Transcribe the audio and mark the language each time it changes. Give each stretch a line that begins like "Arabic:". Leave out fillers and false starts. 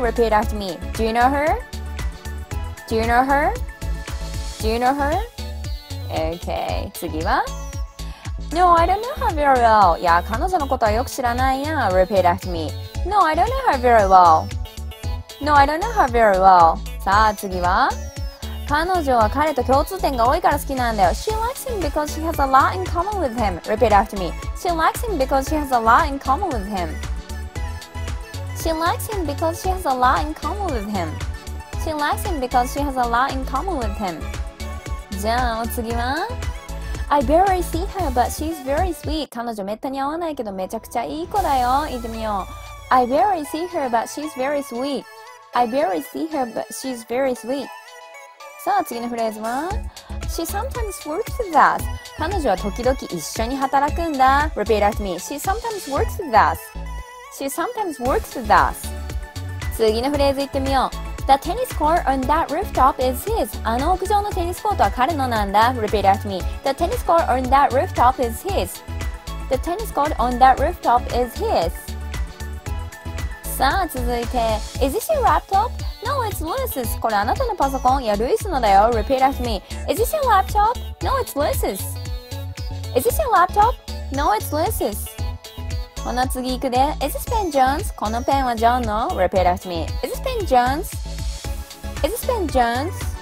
English: Repeat after me。 Do you know her? Do you know her? Do you know her? OK。
Japanese: 次は？
English: No, I don't know her very well.
Japanese: いや、彼女のことはよく知らないな。
English: Repeat after me. No, I don't know her very well. No, I don't know her very well.
Japanese: さあ、次は？彼女は彼と共通点が多いから好きなんだよ。
English: She likes him because she has a lot in common with him. Repeat after me. She likes him because she has a lot in common with him. She likes him because she has a lot in common with him. She likes him because she has a lot in common with him.
Japanese: じゃあ、お次は？
English: I barely see her, but she's very sweet.
Japanese: 彼女めったに会わないけどめちゃくちゃいい子だよ。言ってみよう。
English: I barely see her, but she's very sweet. I barely see her, but she's very sweet.
Japanese: さあ、次のフレーズは
English: She sometimes works with us.
Japanese: 彼女は時々一緒に働くんだ。
English: Repeat after me. She sometimes works with us. She sometimes works with us.
Japanese: 次のフレーズ言ってみよう。
English: The tennis court on that rooftop is his.
Japanese: あの屋上のテニスコートは彼のなんだ。
English: Repeat after me. The tennis court on that rooftop is his. The tennis court on that rooftop is his.
Japanese: さあ、続いて。
English: Is this your laptop? No, it's Lewis's.
Japanese: これあなたのパソコン？いや、ルイスのだよ。
English: Repeat after me. Is this your laptop? No, it's Lewis's. Is this your laptop? No, it's Lewis's.
Japanese: この次行くで。
English: Is this pen Jones?
Japanese: このペンはジョンの？
English: Repeat after me. Is this pen Jones? Is this Ben Jones?